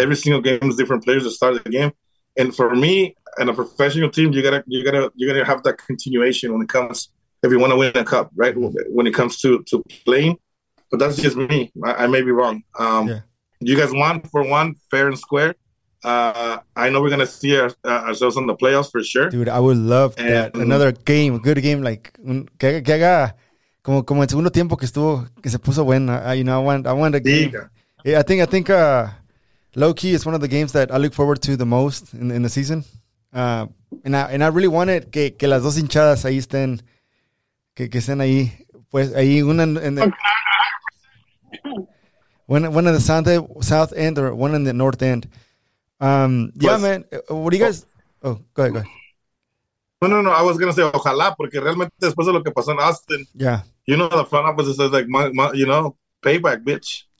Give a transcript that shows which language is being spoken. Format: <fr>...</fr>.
<en>Every single game is different players that start the game. And for me and a professional team, you gotta have that continuation when it comes, if you wanna win a cup, right? Mm-hmm. When it comes to playing. But that's just me. I may be wrong. You guys won 4-1 fair and square. I know we're gonna see ourselves in the playoffs for sure. Dude, I would love that. Another game, a good game, like</en> <es>que haga. Como el segundo tiempo que estuvo, que se puso bueno.</es> <en>I want a game. Yeah, I think low-key is one of the games that I look forward to the most in the season. And I really want it</en> <es>que las dos hinchadas ahí estén, que estén ahí. Pues ahí una en</es> <en>the, one in the south end or one in the north end. Yeah, man. What do you guys... Oh, go ahead. No. I was going to say</en> <es>ojalá, porque realmente después de lo que pasó en Austin...</es> <en>Yeah. You know, the front office is like, you know, payback, bitch.</en>